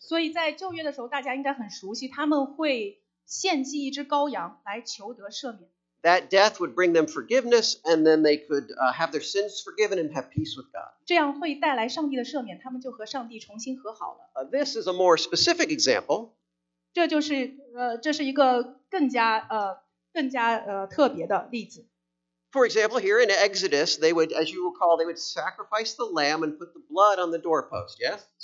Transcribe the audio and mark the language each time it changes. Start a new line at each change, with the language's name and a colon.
Chinese: 所以在旧约的时候，大家应该很熟悉，他们会献祭一只羔羊来求得赦免。
English: That death would bring them forgiveness, and then they could have their sins forgiven and have peace with God.
Chinese: 这样会带来上帝的赦免，他们就和上帝重新和好了。
English: This is a more specific example.
Chinese: 这是一个更加特别的例子。
English: For example, here in Exodus, they would, as you recall, they would sacrifice the lamb and put the blood on the doorpost, yes?